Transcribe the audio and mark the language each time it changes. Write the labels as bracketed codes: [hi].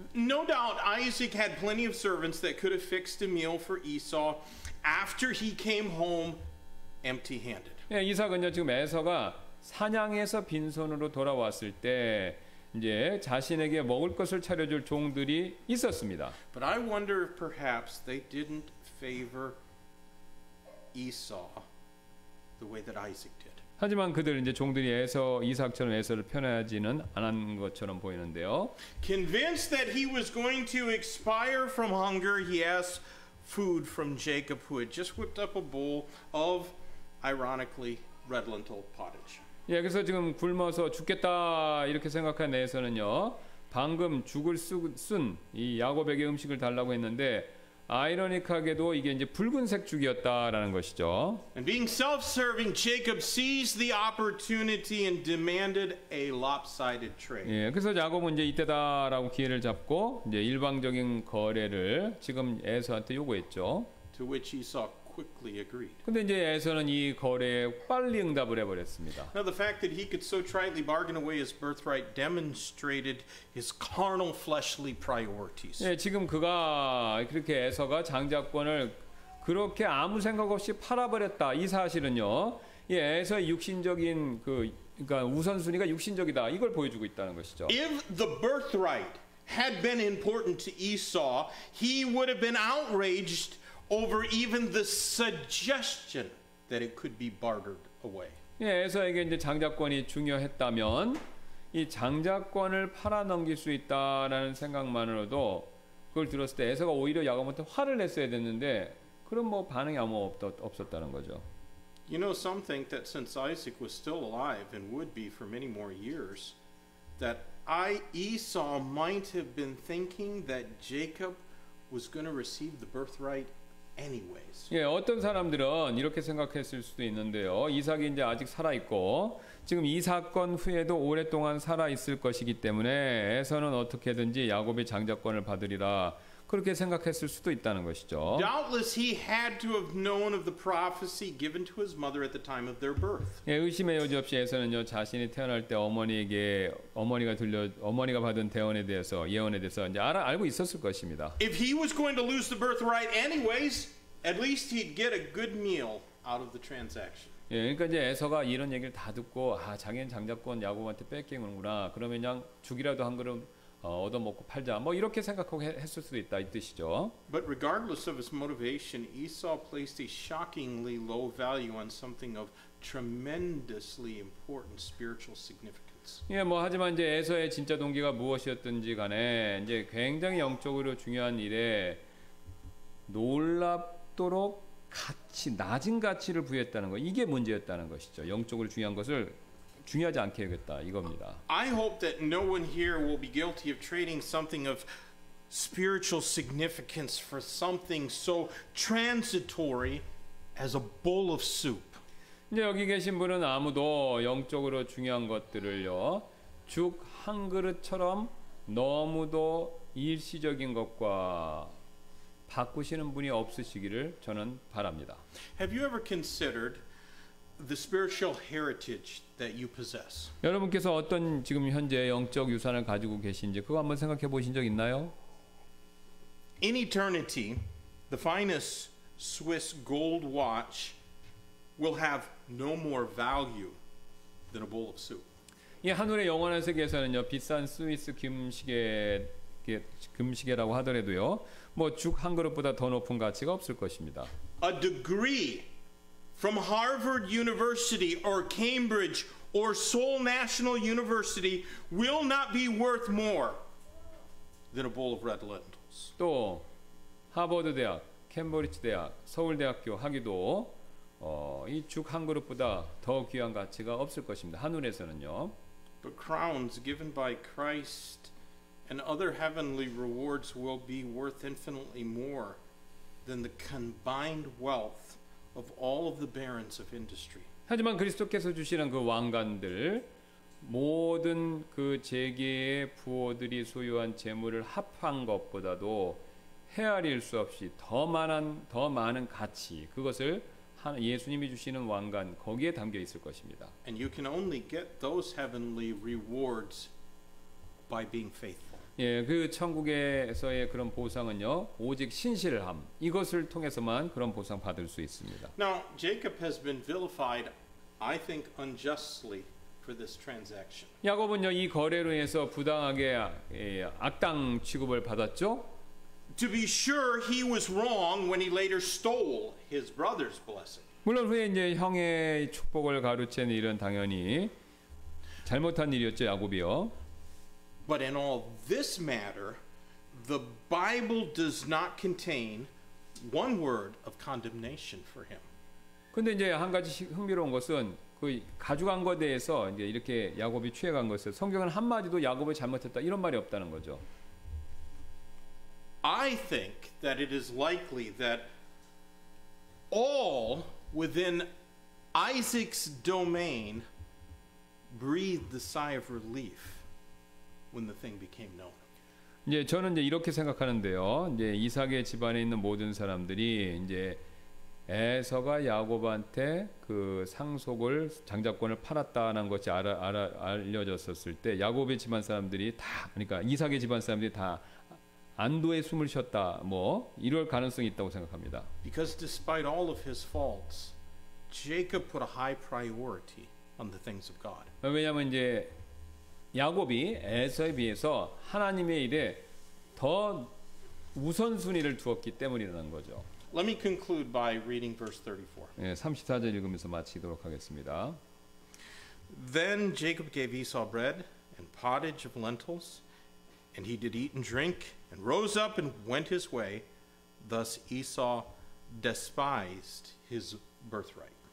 [en] No doubt, Isaac had plenty of servants that could have fixed a meal for Esau after he came home empty-handed. [ko] 예, 이삭은요 지금 에서가 사냥에서 빈손으로 돌아왔을 때 이제 자신에게 먹을 것을 차려줄 종들이 있었습니다. [en] But I wonder if perhaps they didn't. Favor Esau the way that Isaac did. [ko] 하지만 그들 이제 종들이 에서 이삭처럼 에서를 편애하지는 않은 것처럼 보이는데요. [en] Convinced that he was going to expire from hunger, he asked food from Jacob, who had just whipped up a bowl of, ironically, red lentil pottage. [ko] 예, 그래서 지금 굶어서 죽겠다 이렇게 생각한 에서는요, 방금 죽을 쓴 이 야곱에게 음식을 달라고 했는데. 아이러니하게도 이게 이제 붉은색 죽이었다라는 것이죠. [en] And being self-serving, Jacob seized the opportunity and demanded a lopsided trade. [ko] 예, 그래서 야곱은 이제 이때다라고 기회를 잡고 이제 일방적인 거래를 지금 에서한테 요구했죠. [en] To which Esau quickly agreed. [ko] 근데 이제 에서는 이 거래에 빨리 응답을 해버렸습니다. [en] Now the fact that he could so tritely bargain away his birthright demonstrated his carnal fleshly priorities. [ko] 예, 지금 그가 그렇게 에서가 장자권을 그렇게 아무 생각 없이 팔아버렸다 이 사실은요, 예, 에서의 육신적인 그러니까 우선순위가 육신적이다 이걸 보여주고 있다는 것이죠. [en] If the birthright had been important to Esau, he would have been outraged. Over even the suggestion that it could be bartered away. [ko] 예, 에서에게 이제 장자권이 중요했다면 이 장자권을 팔아 넘길 수 있다라는 생각만으로도 그걸 들었을 때 에서가 오히려 야곱한테 화를 냈어야 됐는데 그런 뭐 반응이 아무 없었다는 거죠. [en] You know, some think that since Isaac was still alive and would be for many more years, that Esau might have been thinking that Jacob was going to receive the birthright. Anyways. [ko] 예, 어떤 사람들은 이렇게 생각했을 수도 있는데요. 이삭이 이제 아직 살아 있고 지금 이 사건 후에도 오랫동안 살아 있을 것이기 때문에 에서는 어떻게든지 야곱의 장자권을 받으리라 그렇게 생각했을 수도 있다는 것이죠. [en] Doubtless he had to have known of the prophecy given to his mother at the time of their birth. [ko] 예, 의심의 여지 없이 에서는요 자신이 태어날 때 어머니에게 어머니가 받은 대언에 대해서 예언에 대해서 이제 알고 있었을 것입니다. [en] If he was going to lose the birthright anyways, at least he'd get a good meal out of the transaction. [ko] 예, 그러니까 이제 에서가 이런 얘기를 다 듣고 아 자기는 장자권 야곱한테 뺏기는구나. 그러면 그냥 죽이라도 한 그릇 얻어 먹고 팔자. 뭐 이렇게 생각하고 했을 수도 있다 이 뜻이죠. [en] But regardless of his motivation, Esau placed a shockingly low value on something of tremendously important spiritual significance. [ko] 예, 뭐 하지만 이제 에서의 진짜 동기가 무엇이었든지 간에 이제 굉장히 영적으로 중요한 일에 놀랍도록 가치 낮은 가치를 부여했다는 거. 이게 문제였다는 것이죠. 영적으로 중요한 것을 중요하지 않게 여겼다 이겁니다. [en] I hope that no one here will be guilty of trading something of spiritual significance for something so transitory as a bowl of soup. [ko] 이제 여기 계신 분은 아무도 영적으로 중요한 것들을요 죽 한 그릇처럼 너무도 일시적인 것과 바꾸시는 분이 없으시기를 저는 바랍니다. [en] Have you ever considered the spiritual heritage that you possess. [ko] 여러분께서 어떤 지금 현재 영적 유산을 가지고 계신지 그거 한번 생각해 보신 적 있나요? [en] In eternity, the finest Swiss gold watch will have no more value than a bowl of soup. [ko] 예, 하늘의 영원한 세계에서는요, 비싼 스위스 금시계 금식이라고 하더라도요, 뭐 죽 한 그릇보다 더 높은 가치가 없을 것입니다. [en] A degree from Harvard University or Cambridge or Seoul National University will not be worth more than a bowl of red lentils. [ko] 또 하버드 대학, 캠브리지 대학, 서울대학교 학위도 이 죽 한 그릇보다 더 귀한 가치가 없을 것입니다. 하늘에서는요. [en] But crowns given by Christ and other heavenly rewards will be worth infinitely more than the combined wealth of all of the barons of industry. [ko] 하지만 그리스도께서 주시는 그 왕관들 모든 그 재계의 부호들이 소유한 재물을 합한 것보다도 헤아릴 수 없이 더 많은 가치 그것을 예수님이 주시는 왕관 거기에 담겨 있을 것입니다. [en] And you can only get those heavenly rewards by being faithful. [ko] 예, 그 천국에서의 그런 보상은요. 오직 신실함 이것을 통해서만 그런 보상 받을 수 있습니다. [en] Now Jacob has been vilified I think unjustly for this transaction. [ko] 야곱은요. 이 거래로 해서 부당하게 악당 취급을 받았죠. [en] To be sure, he was wrong when he later stole his brother's blessing. [ko] 물론 후에 이제 형의 축복을 가로챈 일은 당연히 잘못한 일이었죠, 야곱이요. [en] But in all this matter, the Bible does not contain one word of condemnation for him. [ko] 근데 이제 한 가지 흥미로운 것은 그 가져간 것에 대해서 이제 이렇게 야곱이 취해간 것을 성경은 한 마디도 야곱이 잘못했다 이런 말이 없다는 거죠. [en] I think that it is likely that all within Isaac's domain breathed the sigh of relief when the thing became known. [ko] 이제 저는 이제 이렇게 생각하는데요. 이제 이삭의 집안에 있는 모든 사람들이 이제 에서가 야곱한테 그 상속을 장자권을 팔았다는 것이 알려졌었을 때 야곱의 집안 사람들이 다 그러니까 이삭의 집안 사람들이 다 안도의 숨을 쉬었다. 뭐 이럴 가능성이 있다고 생각합니다. [en] Because despite all of his faults, Jacob put a high priority on the things of God. [ko] 왜냐하면 이제 야곱이 에서에 비해서 하나님의 일에 더 우선순위를 두었기 때문이라는 거죠. [en] Let me conclude by reading verse 34. [ko] 네, 34절 읽으면서 마치도록 하겠습니다. [en] Then Jacob gave Esau bread and pottage of lentils, and he did eat and drink. And rose up and went his way. Thus Esau despised his birthright.